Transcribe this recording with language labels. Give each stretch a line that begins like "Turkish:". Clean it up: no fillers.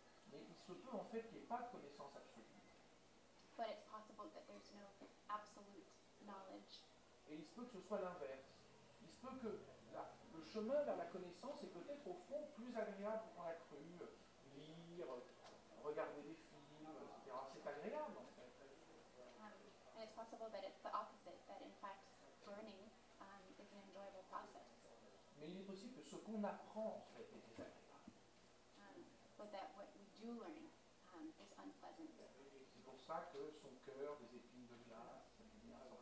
French: Mais il se peut en fait qu'il n'y ait pas de connaissance absolue.
English: But it's possible that there's no absolute knowledge.
French: Et il se peut que ce soit l'inverse. Il se peut que le chemin vers la connaissance est peut-être au fond plus agréable qu'on l'a cru. Lire, regarder des films, etc. C'est agréable en fait.
English: And it's possible that it's the opposite, that in fact learning is an enjoyable process.
French: Mais il est possible que ce qu'on apprend en fait est désagréable.
English: But that what we do learn is unpleasant.
French: C'est pour ça que son cœur, des épines de glace, ça fait bien.